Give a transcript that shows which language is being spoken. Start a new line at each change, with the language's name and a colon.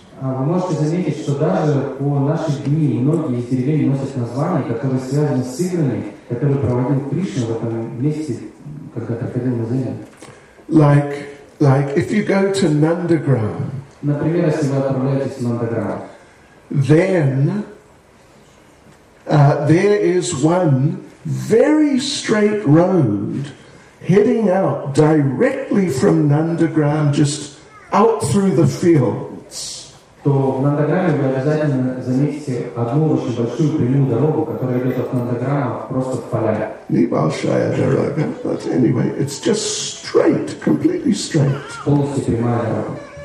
Russian: Вы можете заметить, что даже по наши дни многие деревни носят названия, которые связаны с играми, которые проводил Кришна в этом месте, когда ходил на землю.
English: Like if you go to Nandagram.
Russian: Например, если вы отправляетесь в Нандаграм.
English: Then there is one very straight road heading out directly from Nandagram, just out through the fields.
Russian: То в Нандаграме вы обязательно заметите одну очень большую прямую дорогу, которая идет от Нандаграма просто в поля. Небольшая дорога,
English: but anyway, it's just straight, completely straight.
Russian: Полностью прямая дорога.